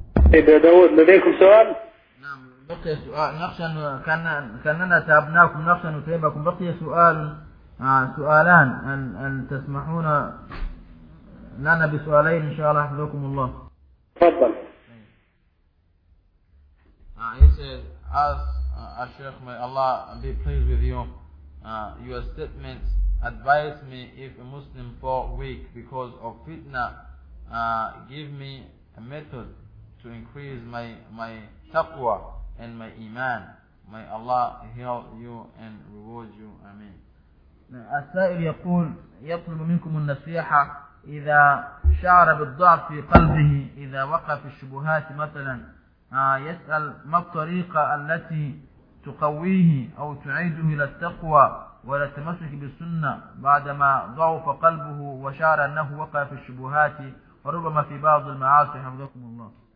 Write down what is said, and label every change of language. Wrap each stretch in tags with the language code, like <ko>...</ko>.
<ar>Hey, Dawood, لديكم سؤال؟ بقي سؤال، نخشى كأننا تعبناكم، نخشى نتعبكم. بقي سؤالان، أن تسمحون لنا بسؤالين إن شاء الله حفظكم الله. تفضل.</ar> <en>He said, as a Sheikh, may Allah be pleased with you, your statements advise me if a Muslim fall weak because of fitna, give me a method to increase my taqwa and my iman. May Allah help you and reward you. Amen.</en> <ar>السائل يقول يطلب منكم النصيحة إذا شعر بالضعف في قلبه إذا وقف الشبهات مثلا، يسأل ما الطريقة التي تقويه أو تعيده إلى التقوى ولا التمسك بالسنة بعدما ضعف قلبه وشعر أنه وقع في الشبهات وربما في بعض المعاصي حفظكم الله.</ar>